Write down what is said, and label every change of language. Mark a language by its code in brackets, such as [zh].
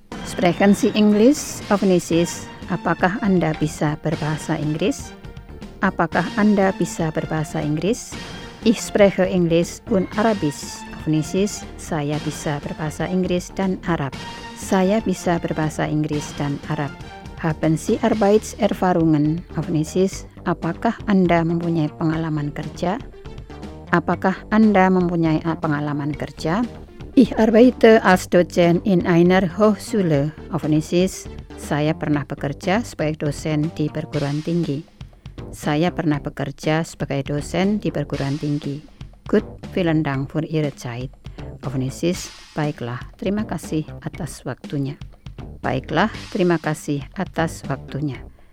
[de] Sprechen Sie Englisch, Afnisis? [id] Apakah Anda bisa berbahasa Inggris? Apakah Anda bisa berbahasa Inggris? [de] Ich spreche Englisch und Arabisch. [id] Afnisis, saya bisa berbahasa Inggris dan Arab. Saya bisa berbahasa Inggris dan Arab. [de] Haben Sie Arbeitserfahrungen? [id] Afnisis, apakah Anda mempunyai pengalaman kerja? Apakah Anda mempunyai pengalaman kerja? [de] Ich arbeite als Dozent in einer Hochschule. [id] Afnisis, saya pernah bekerja sebagai dosen di perguruan tinggi. Saya pernah bekerja sebagai dosen di perguruan tinggi. [de] Gut, vielen Dank für Ihre Zeit. [id] Afnisis, baiklah, terima kasih atas waktunya. Baiklah, terima kasih atas waktunya.